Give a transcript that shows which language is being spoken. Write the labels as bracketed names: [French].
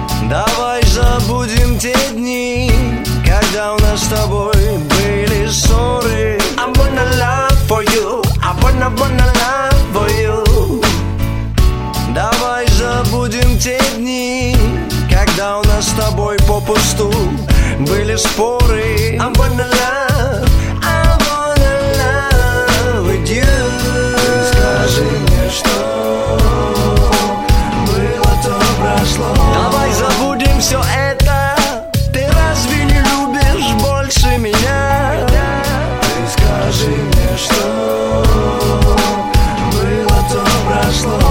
[Russian] Давай забудем те дни, когда у нас с тобой были ссоры. [English] I'm gonna love for you, I'm gonna, gonna love for you. [Russian] Давай забудем те дни, когда у нас с тобой попусту были споры. [English] I'm gonna love, I'm gonna love with you. [Russian] Скажи мне, что было, то прошло. Давай забудем все это, ты разве не любишь больше меня? Ты скажи мне, что было, то прошло.